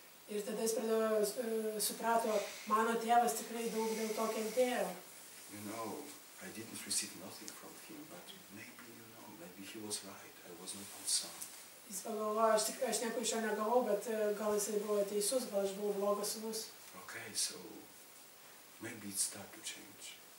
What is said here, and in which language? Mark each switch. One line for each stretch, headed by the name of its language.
Lithuanian: Ir tada jis pradėjo suprato, mano tėvas tikrai daug dėl to kentėjo.
English: You know, I didn't receive nothing from him, but maybe, you know, maybe he was right, I was not his son.
Lithuanian: Jis pagalvojo, aš nieko iš jo negavau, bet gal jisai buvo teisus, gal aš buvau blogas sūnus.
English: Okay, so maybe it's time to change.